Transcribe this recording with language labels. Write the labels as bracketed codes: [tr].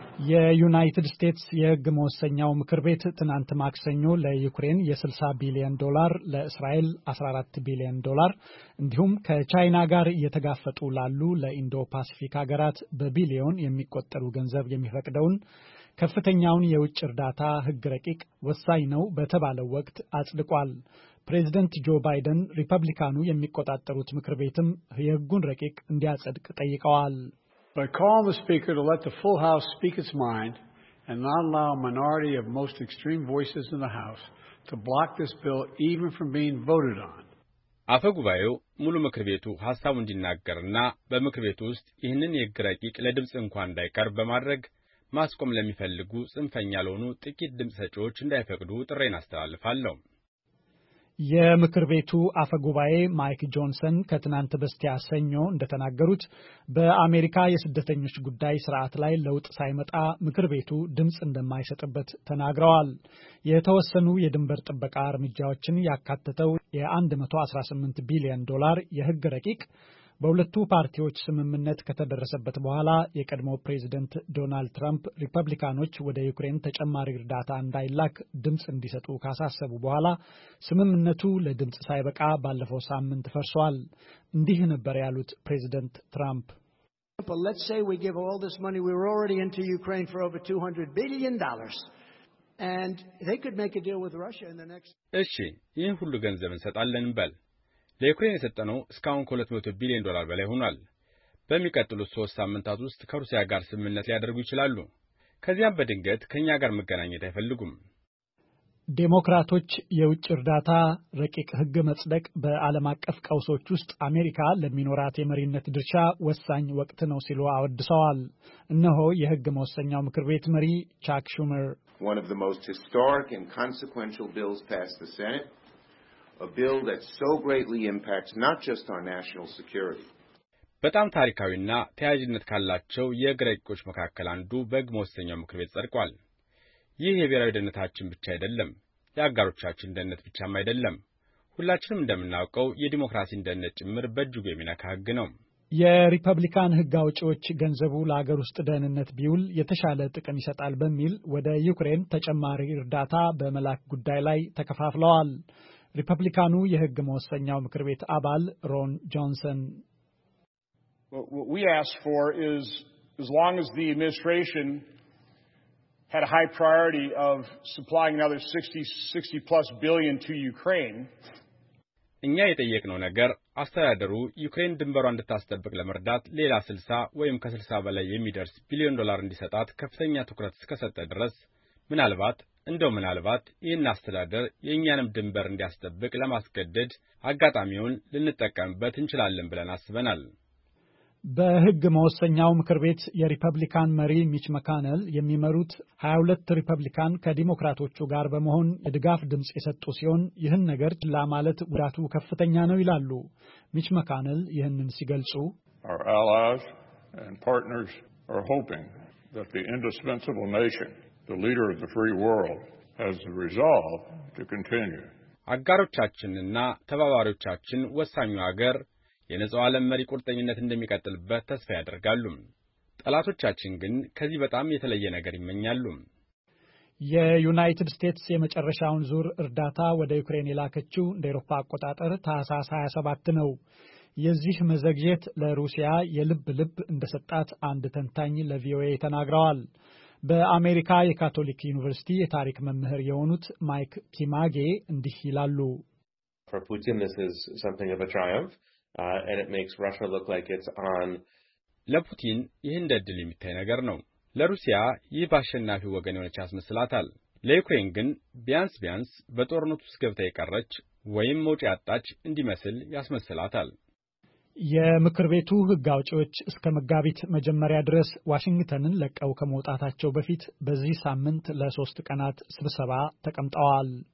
[am] የዩናይትድ ስቴትስ የህግ መወሰኛው ምክር ቤት ትናንት ማክሰኞ ለዩክሬን የ60 ቢሊዮን ዶላር፣ ለእስራኤል 14 ቢሊዮን ዶላር እንዲሁም ከቻይና ጋር እየተጋፈጡ ላሉ ለኢንዶ ፓሲፊክ ሀገራት በቢሊዮን የሚቆጠሩ ገንዘብ የሚፈቅደውን ከፍተኛውን የውጭ እርዳታ ህግ ረቂቅ ወሳኝ ነው በተባለው ወቅት አጽድቋል። ፕሬዚደንት ጆ ባይደን ሪፐብሊካኑ የሚቆጣጠሩት ምክር ቤትም የህጉን ረቂቅ እንዲያጸድቅ ጠይቀዋል። [en] By calling the speaker to let the full house speak its mind and not allow a minority of most extreme voices in the house to block this bill even from being voted on. [am] አፈጉባኤው ሙሉ ምክር ቤቱ ሐሳቡን እንዲናገርና በምክር ቤቱ ውስጥ ይህንን የግራቂቅ ለድምጽ እንኳን እንዳይቀር በማድረግ ማስቆም ለሚፈልጉ ጽንፈኛ ለሆኑ ጥቂት ድምጽ ሰጪዎች እንዳይፈቅዱ ጥሬን አስተላልፋለሁ። የምክር ቤቱ አፈ ጉባኤ ማይክ ጆንሰን ከትናንት በስቲያ ሰኞ እንደተናገሩት በአሜሪካ የስደተኞች ጉዳይ ስርዓት ላይ ለውጥ ሳይመጣ ምክር ቤቱ ድምጽ እንደማይሰጥበት ተናግረዋል። የተወሰኑ የድንበር ጥበቃ እርምጃዎችን ያካተተው የ118 ቢሊዮን ዶላር የህግ ረቂቅ በሁለቱ ፓርቲዎች ስምምነት ከተደረሰበት በኋላ የቀድሞ ፕሬዝደንት ዶናልድ ትራምፕ ሪፐብሊካኖች ወደ ዩክሬን ተጨማሪ እርዳታ እንዳይላክ ድምጽ እንዲሰጡ ካሳሰቡ በኋላ ስምምነቱ ለድምጽ ሳይበቃ ባለፈው ሳምንት ፈርሷል። እንዲህ ነበር ያሉት ፕሬዝደንት ትራምፕ። [en] But let's say we give all this money we were already into Ukraine for over $200 billion and they could make a deal with Russia in the next [am] እሺ ይህ ሁሉ ገንዘብ እንሰጣለን በል ለዩክሬን የሰጠነው እስካሁን ከ200 ቢሊዮን ዶላር በላይ ሆኗል። በሚቀጥሉት 3 ሳምንታት ውስጥ ከሩሲያ ጋር ስምምነት ሊያደርጉ ይችላሉ። ከዚያም በድንገት ከኛ ጋር መገናኘት አይፈልጉም። ዴሞክራቶች የውጭ እርዳታ ረቂቅ ህግ መጽደቅ በዓለም አቀፍ ቀውሶች ውስጥ አሜሪካ ለሚኖራት የመሪነት ድርሻ ወሳኝ ወቅት ነው ሲሉ አወድሰዋል። እነሆ የህግ መወሰኛው ምክር ቤት መሪ ቻክ ሹመር [en] one of the most historic and consequential bills passed the Senate, a bill that so greatly impacts not just our national security. [am] በጣም ታሪካዊና ተያያዥነት ካላቸው የግሬቆች መካከለ አንዱ በግ መወሰኛው ምክር ቤት ጸድቋል። ይህ የብሔራዊ ደህንነታችን ብቻ አይደለም፣ የአጋሮቻችን ደህንነት ብቻም አይደለም። ሁላችንም እንደምናውቀው የዲሞክራሲን ደህንነት ጭምር በእጅጉ የሚነካ ህግ ነው። የሪፐብሊካን ህግ አውጪዎች ገንዘቡ ለሀገር ውስጥ ደህንነት ቢውል የተሻለ ጥቅም ይሰጣል በሚል ወደ ዩክሬን ተጨማሪ እርዳታ በመላክ ጉዳይ ላይ ተከፋፍለዋል። ሪፐብሊካኑ የህግ መወሰኛው ምክር ቤት አባል ሮን ጆንሰን [en] What we asked for is as long as the administration had a high priority of supplying another 60 plus billion to Ukraine. [am] እኛ የጠየቅነው ነገር አስተዳደሩ ዩክሬን ድንበሯን እንድታስጠብቅ ለመርዳት ሌላ 60 ወይም ከ60 በላይ የሚደርስ ቢሊዮን ዶላር እንዲሰጣት ከፍተኛ ትኩረት እስከሰጠ ድረስ ምናልባት ይህን አስተዳደር የኛንም ድንበር እንዲያስጠብቅ ለማስገደድ አጋጣሚውን ልንጠቀምበት እንችላለን ብለን አስበናል። በህግ መወሰኛው ምክር ቤት የሪፐብሊካን መሪ ሚች መካነል የሚመሩት 22 ሪፐብሊካን ከዲሞክራቶቹ ጋር በመሆን የድጋፍ ድምጽ የሰጡ ሲሆን ይህን ነገር ለማለት ውዳቱ ከፍተኛ ነው ይላሉ። ሚች መካነል ይህንን ሲገልጹ [en] Our allies and partners are hoping that the indispensable nation, the leader of the free world, has the resolve to continue. [am] አጋሮቻችንና ተባባሪዎቻችን ወሳኙ ሀገር የነጻው ዓለም መሪ ቁርጠኝነት እንደሚቀጥልበት ተስፋ ያደርጋሉ። ጠላቶቻችን ግን ከዚህ በጣም የተለየ ነገር ይመኛሉ። የዩናይትድ ስቴትስ የመጨረሻውን ዙር እርዳታ ወደ ዩክሬን ላከችው እንደ አውሮፓ አቆጣጠር ታህሳስ 27 ነው። የዚህ መዘግየት ለሩሲያ የልብ ልብ እንደሰጣት አንድ ተንታኝ ለቪኦኤ ተናግረዋል። በአሜሪካ የካቶሊክ ዩኒቨርሲቲ የታሪክ መምህር የሆኑት ማይክ ኪማጌ እንዲህ ይላሉ። [en] For Putin this is something of a triumph. And it makes Russia look like it's on [am] ለፑቲን ይህ እንደ ድል የሚታይ ነገር ነው። ለሩሲያ ይህ ባሸናፊ ወገን የሆነች አስመስላታል። ለዩክሬን ግን ቢያንስ በጦርነቱ ውስጥ ገብታ የቀረች ወይም መውጫ ያጣች እንዲመስል ያስመስላታል። የምክር ቤቱ ህግ አውጪዎች እስከ መጋቢት መጀመሪያ ድረስ ዋሽንግተንን ለቀው ከመውጣታቸው በፊት በዚህ ሳምንት ለሶስት ቀናት ስብሰባ ተቀምጠዋል።